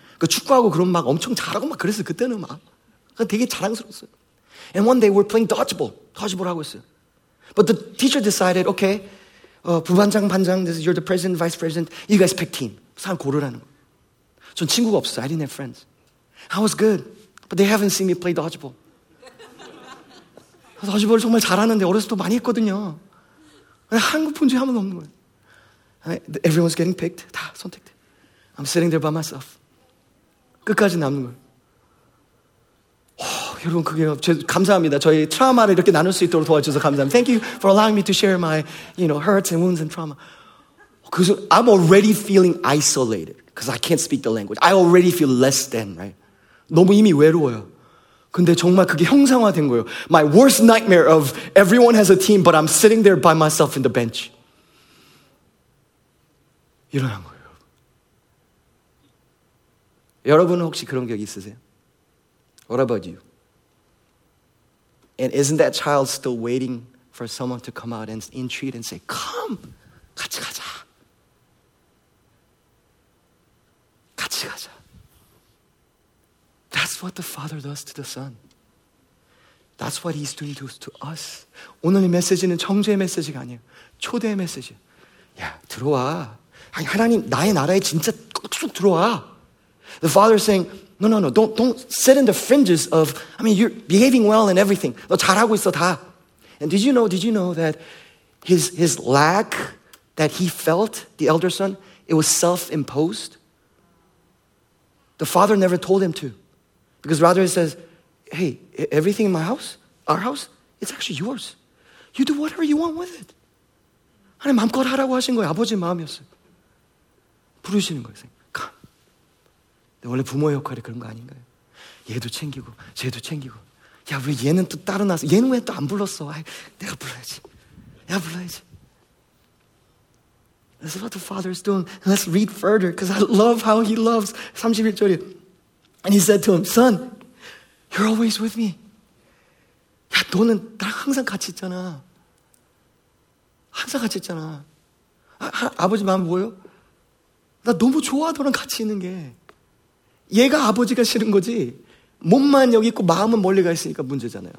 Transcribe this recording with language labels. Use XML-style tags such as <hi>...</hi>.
<ko>그 축구하고 그런 막 엄청 잘하고 막 그랬어, 그때는 막. 그러니까 되게 자랑스러웠어요.</ko> <en>And one day we're playing dodgeball</en> <ko>하고 있어요.</ko> <en>But the teacher decided, okay,</en> <ko>부반장, 반장,</ko> <en>this is, you're the president, vice president, you guys pick team.</en> <ko>사람 고르라는 거. 전 친구가 없어.</ko> <en>I didn't have friends. I was good, but they haven't seen me play dodgeball.</en> <ko>돌지볼 정말 잘하는데 어렸을 때 많이 했거든요. 한국 본 적이 한 번도 없는 거예요.</ko> <en>Everyone's getting picked.</en> <ko>다 선택돼.</ko> <en>I'm sitting there by myself.</en> <ko>끝까지 남는 거예요. 여러분 그게 감사합니다. 저희 트라우마를 이렇게 나눌 수 있도록 도와주셔서 감사합니다.</ko> <en>Thank you for allowing me to share my, you know, hurts and wounds and trauma. Because I'm already feeling isolated because I can't speak the language. I already feel less than, right?</en> <ko>너무 이미 외로워요. 근데 정말 그게 형상화된 거예요.</ko> <en>My worst nightmare of everyone has a team but I'm sitting there by myself in the bench.</en> <ko>일어난 거예요. 여러분 혹시 그런 기억 있으세요?</ko> <en>What about you? And isn't that child still waiting for someone to come out and entreat and say, come,</en> <ko>같이 가자. 같이 가자.</ko> <en>That's what the father does to the son. That's what he's doing to us.</en> <ko>오늘의 메시지는 청주의 메시지가 아니에요. 초대의 메시지. 야, 들어와. 아니, 하나님, 나의 나라에 진짜 쭉 들어와.</ko> <en>The father is saying, no, no, no, don't sit in the fringes of, I mean, you're behaving well and everything.</en> <ko>너 잘하고 있어, 다.</ko> <en>And did you know that his lack that he felt, the elder son, it was self-imposed? The father never told him to. Because rather he says, hey, everything in my house, our house, it's actually yours. You do whatever you want with it.</en> <ko>아니, 마음껏 하라고 하신 거예요. 아버지 마음이었어요. 부르시는 거예요.</ko> <en>Come.</en> <ko>근데 원래 부모의 역할이 그런 거 아닌가요? 얘도 챙기고, 쟤도 챙기고. 야, 왜 얘는 또 따로 나왔어? 얘는 왜 또 안 불렀어? 아이, 내가 불러야지. 내가 불러야지.</ko> <en>This is what the father is doing. Let's read further, because I love how he loves.</en> <ko>31절이.</ko> <en>And he said to him, son, you're always with me.</en> <ko>야, 너는 나랑 항상 같이 있잖아. 항상 같이 있잖아. 아버지 마음 뭐예요? 나 너무 좋아, 너랑 같이 있는 게. 얘가 아버지가 싫은 거지. 몸만 여기 있고 마음은 멀리 가 있으니까 문제잖아요.</ko>